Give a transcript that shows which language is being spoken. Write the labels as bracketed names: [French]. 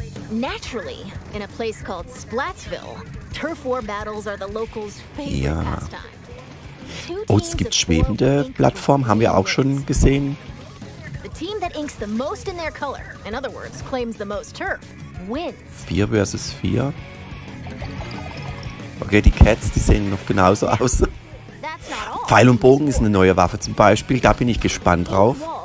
[English] Naturally, in a place called Splatsville, turf war battles are the locals' favorite pastime. [German] Oh, es gibt schwebende Plattformen, haben wir auch schon gesehen. [English] The team that inks the most in their color, in other words, claims the most turf, wins. 4 versus 4. [German] Okay, die Cats, die sehen noch genauso aus. Pfeil und Bogen ist eine neue Waffe zum Beispiel, da bin ich gespannt drauf.